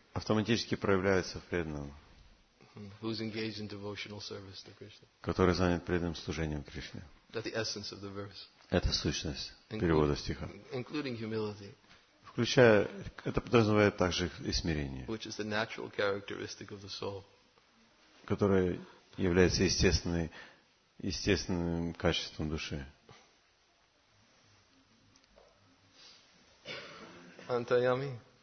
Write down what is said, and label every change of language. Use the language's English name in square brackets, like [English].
[Russian] Автоматически проявляются в преданном. [English] Who's engaged in devotional service to Krishna. [Russian] Который занят преданным служением Кришне. [English] That's the essence of the verse. [Russian] Это сущность перевода стиха. [English] Including humility. [Russian] Включая, это подразумевает также и смирение. [English] Which is the natural characteristic of the soul. [Russian] Которое является естественным качеством души. Антаями.